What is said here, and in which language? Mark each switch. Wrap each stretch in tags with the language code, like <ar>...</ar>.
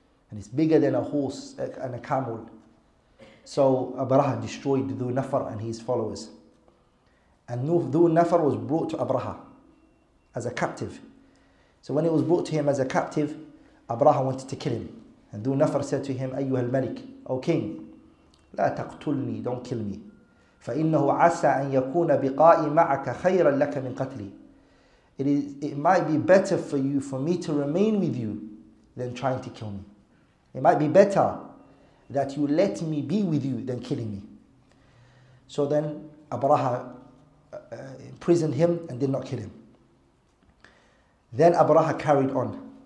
<en>And it's bigger than a horse and a camel. So Abraha destroyed Dhu Nafar and his followers. And Dhu Nafar was brought to Abraha as a captive. So when he was brought to him as a captive, Abraha wanted to kill him. And Dhu Nafar said to him,</en> <ar>أيها الملك,</ar> <en>O king,</en> <ar>لا تقتلني,</ar> <en>don't kill me.</en> <ar>فإنه عسى أن يكون بقائي معك خيرا لك من قتلي.</ar> <en>It might be better for you, for me to remain with you than trying to kill me. It might be better that you let me be with you than killing me. So then Abraha imprisoned him and did not kill him. Then Abraha carried on</en>